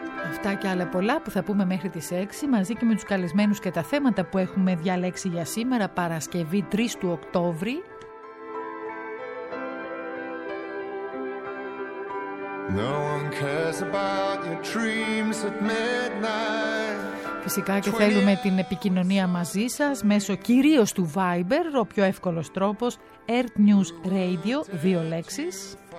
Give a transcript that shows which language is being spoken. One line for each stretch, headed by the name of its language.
Greek: Αυτά και άλλα πολλά που θα πούμε μέχρι τις 6 μαζί και με τους καλεσμένους και τα θέματα που έχουμε διαλέξει για σήμερα, Παρασκευή 3 του Οκτώβρη.
English: No one cares about your dreams at midnight.
Greek: Φυσικά και θέλουμε την επικοινωνία μαζί σας μέσω κυρίως του Viber, ο πιο εύκολος τρόπος, Earth News Radio, δύο λέξεις.